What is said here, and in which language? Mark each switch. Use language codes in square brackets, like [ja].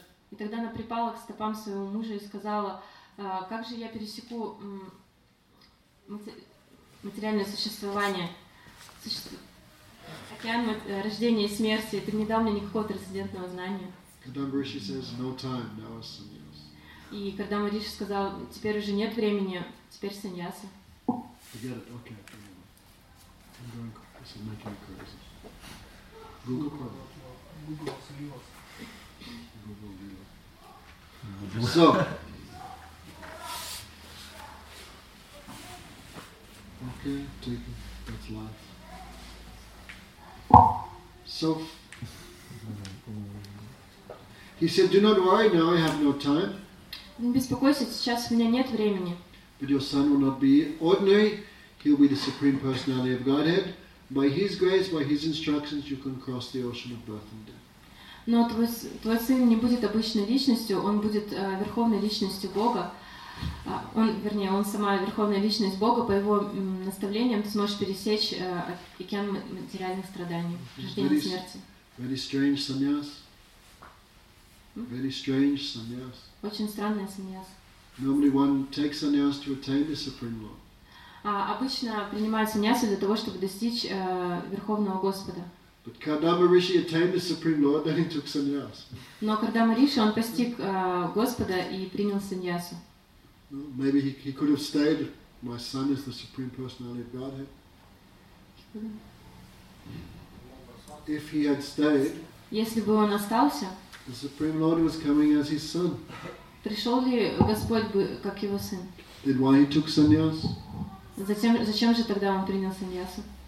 [ru] И тогда она припала к стопам своего мужа и сказала, как же я пересеку материальное существование. Океан рождения и смерти, ты не дал мне никакого трансцендентного знания. [en] Kardama Rishi says, no time, now is sannyas. [ru] И Кардама Риши сказал, теперь уже нет времени, теперь саньяса. [en] Forget it, okay. I'm going crazy, this is making me crazy. Google problem. Google. So. Okay, take it, that's life. So he said, "Do not worry. Now I have no time." [ru] Не беспокойся, сейчас у меня нет времени. [en] But your son will not be ordinary. He'll be the supreme personality of Godhead. By His grace, by His instructions, you can cross the ocean of birth and death. [ru] Но твой сын не будет обычной личностью. Он будет верховной личностью Бога. Он сама верховная личность Бога, по его наставлениям ты сможешь пересечь океан материальных страданий, рождения и смерти. Очень странная саньяс. [en] Normally one takes saniyas to attain the supreme law. [ru] Обычно принимают саньясы для того, чтобы достичь верховного Господа. [en] But Kardama Rishi attained the supreme law, then he took saniyas. [ru] Но Кардама Риши он постиг Господа и принял саньясу. [en] Maybe he could have stayed. My son is the supreme personality of Godhead. If he had stayed, [ru] если бы он остался, [en] the supreme lord was coming as his son. [ru] Пришел ли Господь бы как его сын? [en] Then why he took sannyas? [ru] Зачем же тогда он принял саньясу?